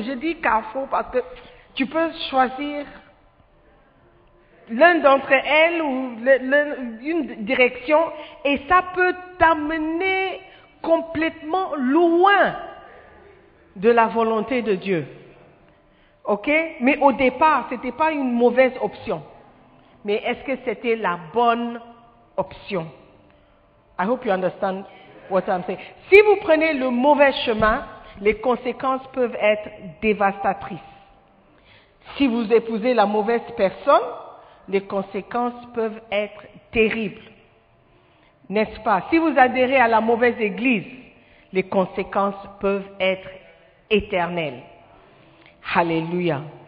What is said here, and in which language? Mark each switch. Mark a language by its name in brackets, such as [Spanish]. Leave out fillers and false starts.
[French] Je dis carrefour parce que tu peux choisir l'un d'entre elles ou une direction et ça peut t'amener complètement loin de la volonté de Dieu. Ok? Mais au départ, ce n'était pas une mauvaise option. Mais est-ce que c'était la bonne option? [English] I hope you understand what I'm saying. [French] Si vous prenez le mauvais chemin, les conséquences peuvent être dévastatrices. Si vous épousez la mauvaise personne, les conséquences peuvent être terribles. N'est-ce pas? Si vous adhérez à la mauvaise église, les conséquences peuvent être éternelles. Alléluia.